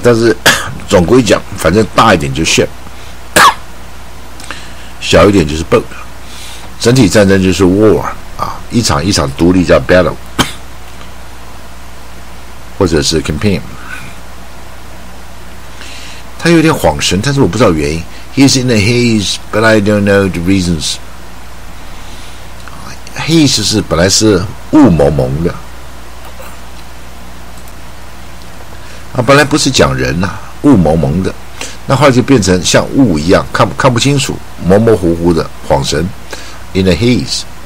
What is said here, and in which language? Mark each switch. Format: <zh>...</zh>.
<zh>但是总归讲，反正大一点就 ship， 小一点就是 boat， 整体战争就是 war 啊，一场一场独立叫 battle 或者是 campaign。他有点恍神，但是我不知道原因。</zh> <en>He's in a haze, but I don't know the reasons.</en> <zh>Haze 是本来是雾蒙蒙的啊，本来不是讲人呐、啊，雾蒙蒙的，那后来就变成像雾一样，看不清楚，模模糊糊的，恍神。</zh> <en>In a haze。</en>